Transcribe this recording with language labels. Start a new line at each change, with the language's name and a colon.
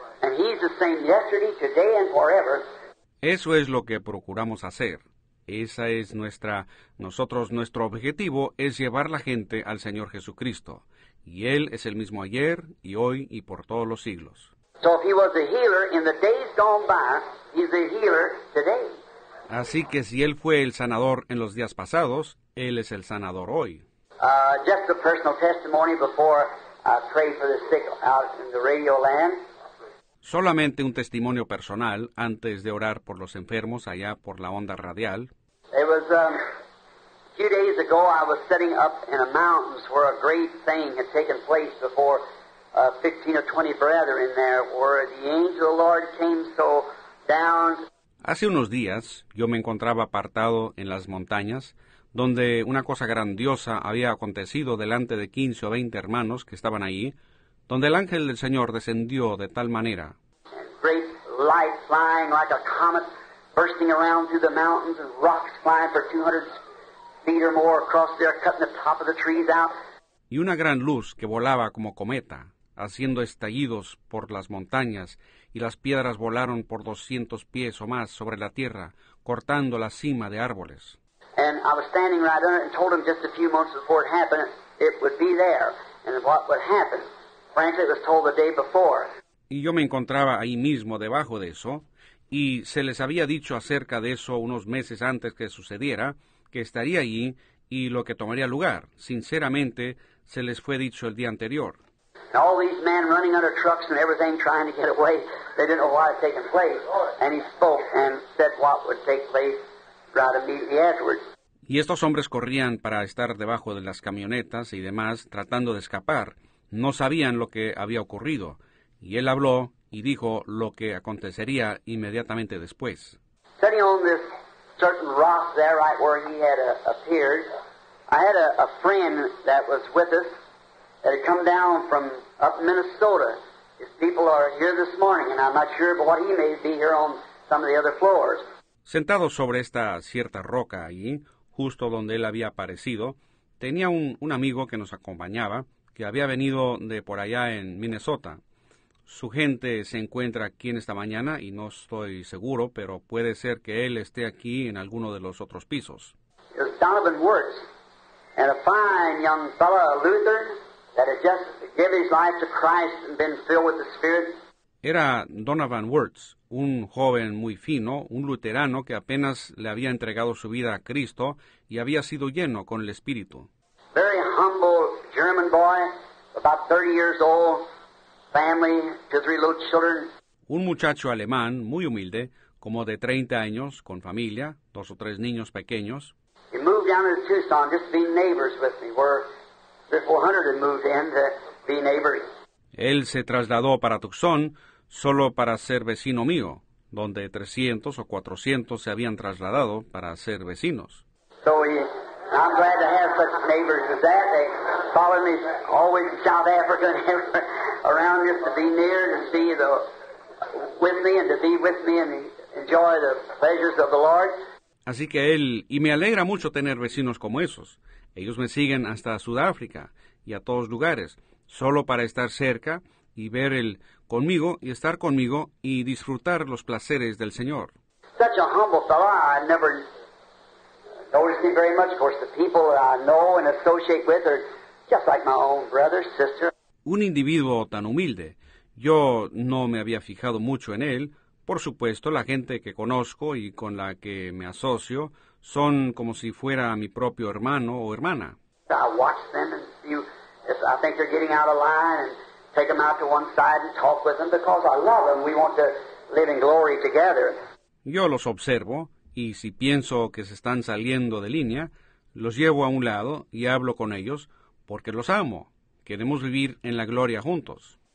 English: And He's the same yesterday, today, and forever.
Spanish: Eso es lo que procuramos hacer. Esa es nuestra, nosotros, nuestro objetivo es llevar la gente al Señor Jesucristo. Y Él es el mismo ayer y hoy y por todos los siglos.
English: So if he was a healer in the days gone by, he's a healer today.
Spanish: Así que si Él fue el sanador en los días pasados, Él es el sanador hoy.
English: Just a personal testimony before I pray for the sick out in the radio land.
Spanish: Solamente un testimonio personal antes de orar por los enfermos allá por la onda radial.
English: It was a few days ago I was sitting up in the mountains where a great thing had taken place before 15 or 20 brethren there where the angel of the Lord came so down.
Spanish: Hace unos días yo me encontraba apartado en las montañas donde una cosa grandiosa había acontecido delante de 15 o 20 hermanos que estaban allí, donde el ángel del Señor descendió de tal manera.
English: Great light flying like a comet bursting around through the mountains and rocks flying for 200 feet or more across there cutting the top of the trees out.
Spanish: Y una gran luz que volaba como cometa, haciendo estallidos por las montañas, y las piedras volaron por 200 pies o más sobre la tierra, cortando la cima de árboles.
English: And I was standing right under it and told them just a few months before it happened, it would be there, and what would happen. Frankly, it was told the day before.
Spanish: Y yo me encontraba ahí mismo debajo de eso, y se les había dicho acerca de eso unos meses antes que sucediera, que estaría allí, y lo que tomaría lugar. Sinceramente, se les fue dicho el día anterior.
English: And all these men running under trucks and everything trying to get away, they didn't know what had taken place. And he spoke and said what would take place right immediately afterwards.
Spanish: Y estos hombres corrían para estar debajo de las camionetas y demás, tratando de escapar. No sabían lo que había ocurrido. Y él habló y dijo lo que acontecería inmediatamente después.
English: Sitting on this certain rock there right where he had appeared, I had a friend that was with us. That had come down from up Minnesota. His people are here this morning, and I'm not sure, but what he may be here on some of the other floors.
Spanish: Sentado sobre esta cierta roca allí, justo donde él había aparecido, tenía un amigo que nos acompañaba, que había venido de por allá en Minnesota. Su gente se encuentra aquí en esta mañana, y no estoy seguro, pero puede ser que él esté aquí en alguno de los otros pisos.
English: It was Donovan Wirtz, and a fine young fellow, a Lutheran. That had just given his life to Christ and been filled with the Spirit.
Spanish: Era Donovan Wirtz, un joven muy fino, un luterano que apenas le había entregado su vida a Cristo y había sido lleno con el Espíritu.
English: Very humble German boy, about 30 years old, family, two, three little children.
Spanish: Un muchacho alemán muy humilde, como de 30 años, con familia, dos o tres niños pequeños.
English: He moved down to Tucson just to be neighbors with me. We're 400 and moved in to be neighbors.
Spanish: Él se trasladó para Tucson solo para ser vecino mío, donde 300 o 400 se habían trasladado para ser vecinos.
English: So I'm glad to have such neighbors as that. They follow me always in South Africa and around just to be near and to be with me and to be with me and enjoy the pleasures of the Lord.
Spanish: Así que él, y me alegra mucho tener vecinos como esos. Ellos me siguen hasta Sudáfrica y a todos lugares, solo para estar cerca y ver el conmigo y estar conmigo y disfrutar los placeres del Señor.
English: Such a humble fellow, I never noticed him very much. Of course, the people that I know and associate with are just like my own brother, sister.
Spanish: Un individuo tan humilde. Yo no me había fijado mucho en él. Por supuesto, la gente que conozco y con la que me asocio son como si fuera mi propio hermano o hermana.
English: I watch them and you, I think they're getting out of line and take them out to one side and talk with them because I love them. We want to live in glory together.
Spanish: Yo los observo y si pienso que se están saliendo de línea, los llevo a un lado y hablo con ellos porque los amo. Queremos vivir en la gloria juntos.